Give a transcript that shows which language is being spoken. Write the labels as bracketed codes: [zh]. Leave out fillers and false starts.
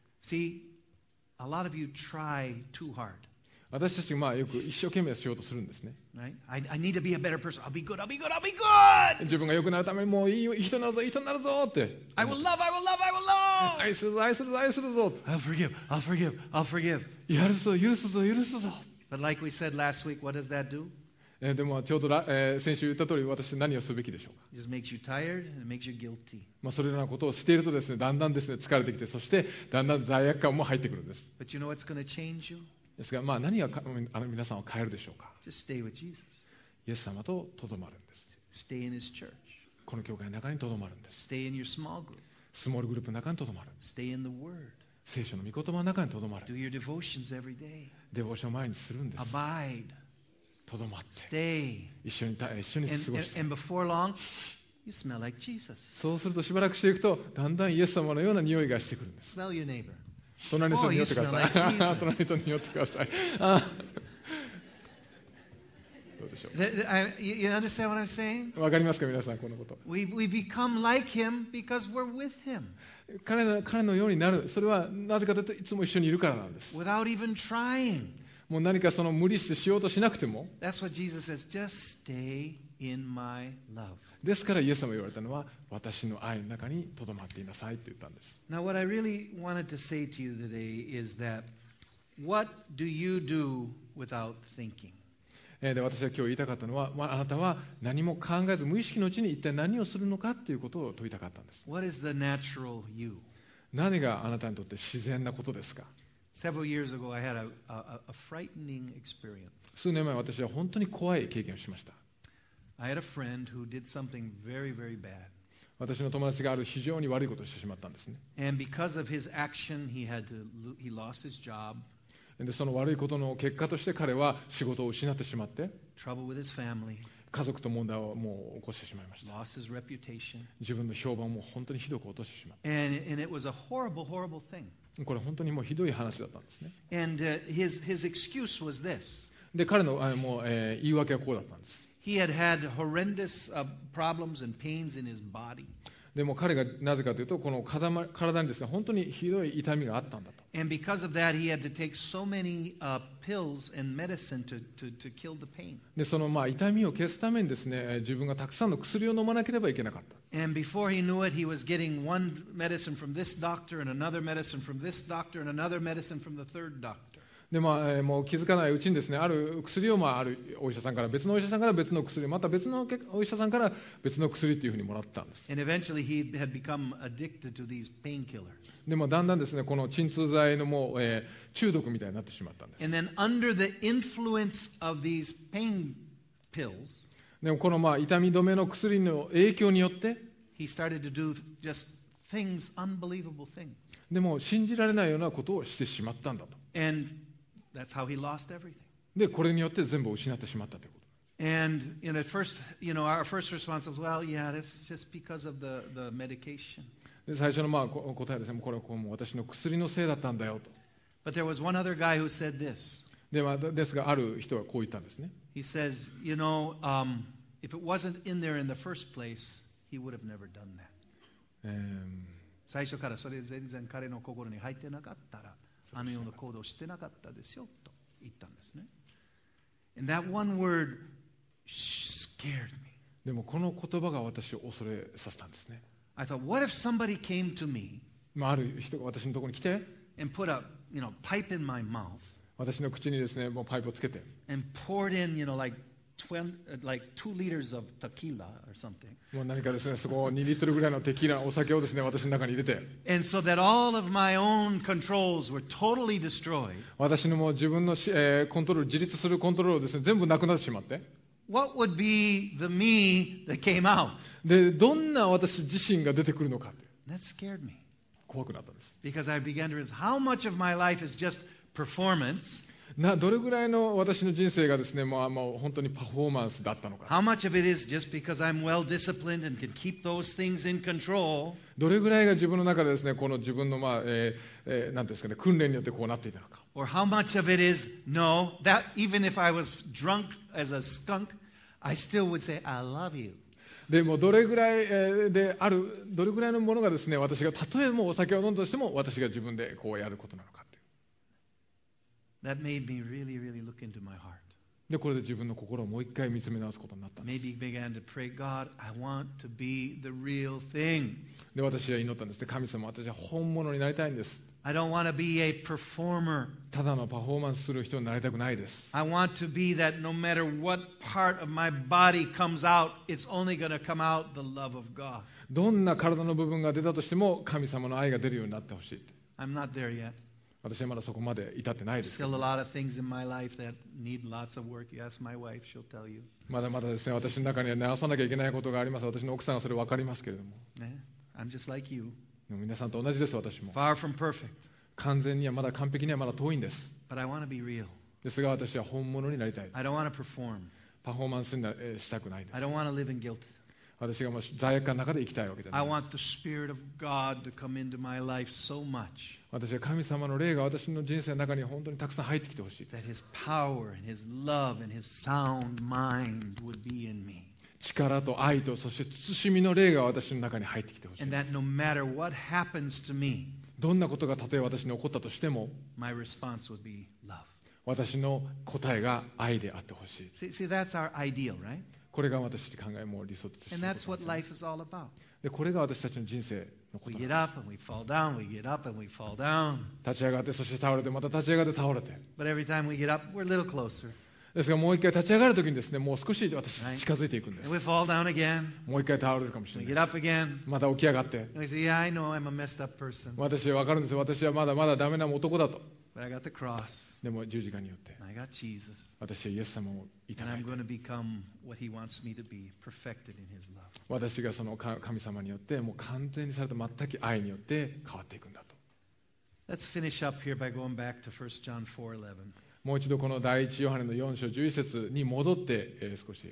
[en] See, a lot of you try too hard. [ja] 私たちがよく一生懸命しようとするんですね。 [en] I need to be a better person. I'll be good, I'll be good, I'll be good! [ja] 自分が良くなるためにもういい人になるぞ、いい人になるぞって。 [en] I will love, I will love, I will love! [ja] 愛するぞ、愛するぞ、愛するぞ [en] I'll forgive, I'll forgive, I'll forgive! [ja] やるぞ、許すぞ、許すぞ [en] But like we said last week, what does that do? [ja] でもちょうど、先週言った通り私何をすべきでしょうか。 [en] It just makes you tired and it makes you guilty. [ja] まあそれらのことをしているとですね、だんだんですね、疲れてきて、そしてだんだん罪悪感も入ってくるんです。 [en] But you know what's going to change you? [ja] ですが、まあ、何が皆さんを変えるでしょうか。 [en] Just stay with Jesus. [ja] イエス様ととどまるんです。 [en] Stay in his church. [ja] この教会の中にとどまるんです。 [en] Stay in your small group. [ja] スモールグループの中にとどまる。 [en] Stay in the word. [ja] 聖書の御言葉の中にとどまる。 [en] Do your devotions every day. [ja] デボーション毎日するんです。 [en] Abide. [ja] とどまって。 [en] Stay. [ja] 一緒に過ごして。 [en] And before long, you smell like Jesus. [ja] そうするとしばらくしていくと、だんだんイエス様のような匂いがしてくるんです。 [en] Smell your neighbor. [ja] 隣の人に寄ってください。隣の人に寄ってください。どうでしょう。 [en] You understand what I'm saying? [ja] わかりますか、皆さん、このこと。 [en] We become like him because we're with him. [ja] 彼のようになる、それはなぜかというと、いつも一緒にいるからなんです。 [en] Without even trying. [ja] もう何かその無理してしようとしなくても。 [en] That's what Jesus says. Just stay in my love. [ja] ですからイエス様が言われたのは私の愛の中にとどまっていなさいと言ったんです。 [en] Now what I really wanted to say to you today is that what do you do without thinking? [ja] で私が今日言いたかったのは、まあ、あなたは何も考えず無意識のうちに一体何をするのかということを問いたかったんです。 [en] What is the natural you? [ja] 何があなたにとって自然なことですか？ [en] Several years ago I had a frightening experience. [ja] 数年前私は本当に怖い経験をしました。 [en] I had a friend who did something very, very bad. [ja] 私の友達がある非常に悪いことをしてしまったんですね。 [en] And because of his action, he lost his job. [ja] でその悪いことの結果として彼は仕事を失ってしまって、 [en] Trouble with his family. [ja] 家族と問題をもう起こしてしまいました。 [en] Lost his reputation. [ja] 自分の評判をもう本当にひどく落としてしまった。 [en] And it was a horrible, horrible thing. [ja] これ本当にもうひどい話だったんですね。 [en] And his excuse was this. [ja] で彼のもう、言い訳はこうだったんです。 [en] He had had horrendous problems and pains in his body. [ja] でも彼がなぜかというとこの体にですね本当にひどい痛みがあったんだと。 [en] And because of that, he had to take so many pills and medicine to kill the pain. [ja] でそのまあ痛みを消すためにですね自分がたくさんの薬を飲まなければいけなかった。 [en] And before he knew it, he was getting one medicine from this doctor and another medicine from this doctor and another medicine from the third doctor. [ja] でまあ、もう気づかないうちにですね、ある薬を、まあ、あるお医者さんから、別のお医者さんから別の薬、また別のお医者さんから別の薬というふうにもらったんです。 [en] And eventually he had become addicted to these painkillers. [ja] でもだんだんですね、この鎮痛剤のもう、中毒みたいになってしまったんです。 [en] And then under the influence of these pain pills, [ja] でもこの、まあ、痛み止めの薬の影響によって、 [en] He started to do just things, unbelievable things. [ja] でも信じられないようなことをしてしまったんだと。 [en] And that's how he lost everything. [ja] でこれによって全部失ってしまったということ。 [en] And you know, at first, you know, our first response was, well, yeah, that's just because of the medication. [ja] で最初のまあ答えですね、これはもう私の薬のせいだったんだよと。 [en] But there was one other guy who said this. [ja] ですがある人はこう言ったんですね。 [en] He says, you know, if it wasn't in there in the first place, he would have never done that. [ja] 最初からそれ全然彼の心に入ってなかったら、あのような行動してなかったですよと言ったんですね。 [en] And that one word scared me. [ja] でもこの言葉が私を恐れさせたんですね。 [en] I thought, what if somebody came to me? [ja] まあある人が私のところに来て、 [en] and put a, you know, pipe in my mouth. [ja] 私の口にですね、もうパイプをつけて、 [en] and poured in, you know, like 2 liters of tequila or something. [ja] もう何かですね、そこ2リットルぐらいのテキーラ、お酒をですね、私の中に入れて、 [en] and so that all of my own controls were totally destroyed. [ja] 私のもう自分の、コントロール、自立するコントロールをですね、全部なくなってしまって。 [en] What would be the me that came out? [ja] で、どんな私自身が出てくるのかって。 [en] That scared me. [ja] 怖くなったんです。 [en] Because I began to realize how much of my life is just performance. [ja] どれぐらいの私の人生がですね、もう本当にパフォーマンスだったのか。 [en] How much of it is just because I'm well disciplined and can keep those things in control? [ja] どれぐらいが自分の中でですね、この自分のまあ、なんですかね、訓練によってこうなっていたのか。 [en] Or how much of it is, no, that even if I was drunk as a skunk, I still would say, I love you. [ja] でもどれぐらいである、どれぐらいのものがですね、私がたとえもうお酒を飲んだとしても、私が自分でこうやることなのかっていう。 [en] That made me really, really look into my heart. [ja] で、これで自分の心をもう一回見つめ直すことになったんです。 [en] Maybe began to pray, God, I want to be the real thing. [ja] で、私は祈ったんです。で、神様、私は本物になりたいんです。 [en] I don't want to be a performer. [ja] ただのパフォーマンスする人になりたくないです。 [en] I want to be that no matter what part of my body comes out, it's only going to come out the love of God. [ja] どんな体の部分が出たとしても神様の愛が出るようになってほしい。 [en] I'm not there yet. [ja] 私はまだそこまで至ってないです。 [en] There's still a lot of things in my life that need lots of work. You ask my wife, she'll tell you. [ja] まだまだですね、私の中には直さなきゃいけないことがあります。私の奥さんはそれ分かりますけれども。 [en] I'm just like you. [ja] 皆さんと同じです、私も。 [en] Far from perfect. [ja] 完全にはまだ完璧にはまだ遠いんです。 [en] But I want to be real. [ja] ですが私は本物になりたい。 [en] I don't want to perform. [ja] パフォーマンスにしたくないです。 [en] I don't want to live in guilt. [ja] 私がもう罪悪感の中で生きたいわけです。 [en] I want the Spirit of God to come into my life so much. [ja] 私は神様の霊が私の人生の中に本当にたくさん入ってきてほしい。 [en] That His power and His love and His sound mind would be in me. [ja] 力と愛とそして慎みの霊が私の中に入ってきてほしい。 [en] And that no matter what happens to me, [ja] どんなことがたとえ私に起こったとしても、 [en] my response would be love. [ja] 私の答えが愛であってほしい。 [en] See, that's our ideal, right? [ja] これが私の考えも理想としてことなんですね。で、これが私たちの人生のことなんです。 [en] We get up and we fall down, we get up and we fall down. [ja] 立ち上がってそして倒れてまた立ち上がって倒れて。 [en] But every time we get up, we're a little closer. [ja] ですがもう一回立ち上がるときにですね、もう少し私近づいていくんです。 [en] And we fall down again. [ja] もう一回倒れるかもしれない。 [en] We get up again. [ja] また起き上がって。 [en] And we say, yeah, I know I'm a messed up person. [ja] 私は分かるんです。私はまだまだダメな男だと。 [en] But I got the cross. [ja] でも十字架によって。 [en] And I got Jesus. [ja] 私はイエス様をいただいて。 [en] And I'm going to become what He wants me to be, perfected in His love. [ja] 私がその神様によってもう完全にされた全く愛によって変わっていくんだと。 [en] Let's finish up here by going back to 1 John 4:11. [ja] もう一度この第一ヨハネの4章11節に戻って少し